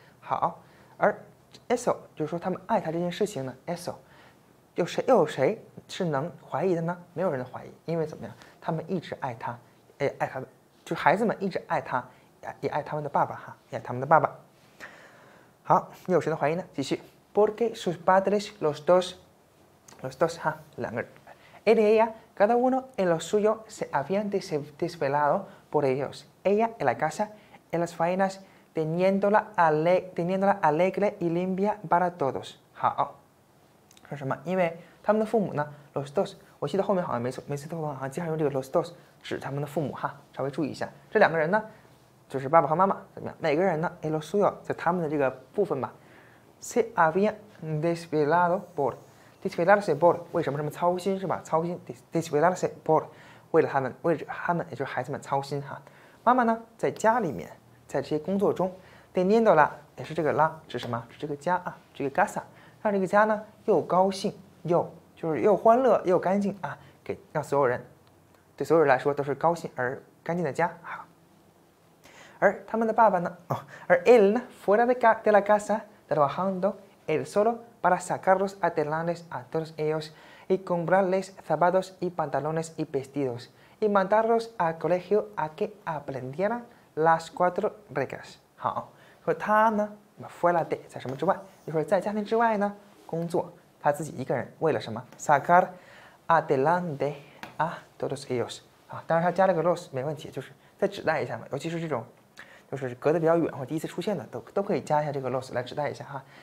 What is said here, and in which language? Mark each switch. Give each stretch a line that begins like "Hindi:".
Chinese: 好，而 eso 就是说他们爱他这件事情呢 ，eso 又有谁是能怀疑的呢？没有人怀疑，因为怎么样，他们一直爱他，也爱他的，就孩子们一直爱他，也爱他们的爸爸哈，也爱他们的爸爸。好，你有谁能怀疑呢？继续。
Spanish: Porque sus padres, los dos, ha, él y ella, cada uno en lo suyo se habían desvelado por ellos. Ella en la casa, en las faenas, teniéndola alegre y limpia para todos.
Chinese: 好，说什么？因为他们的父母呢 ，
Spanish: los dos，
Chinese: 我记得后面好像每次都好像经常用这个 los dos 指他们的父母哈，稍微注意一下。这两个人呢，就是爸爸和妈妈，怎么样？每个人呢 ，
Spanish: en lo suyo，
Chinese: 在他们的这个部分吧。
Spanish: Se habían desvelado por, desvelarse por,
Chinese: 为什么这么操心是吧？操心
Spanish: desvelarse por,
Chinese: 为了他们，也就是孩子们操心哈。妈妈呢，在家里面，在这些工作中 ，teniéndola 也是这个 la 指什么？指这个家啊，这个 casa， 让这个家呢又高兴又欢乐又干净啊，给让所有人，对所有人来说都是高兴而干净的家哈。而他们的爸爸呢？
Spanish: 而 él 呢 ？Fuera de la casa。 Trabajando él solo para sacarlos adelante a todos ellos y comprarles zapatos y pantalones y vestidos y mandarlos al colegio a que aprendieran las cuatro reglas.
Chinese: 好，说他呢 ，
Spanish: fuera de
Chinese: 在什么之外，就是在家庭之外呢，工作他自己一个人，为了什么 ？
Spanish: sacar adelante a todos ellos.
Chinese: 啊，当然他加了个 los 没问题，就是再指代一下嘛，尤其是这种。就是隔得比较远或第一次出现的，都可以加一下这个 los 来指代一下哈。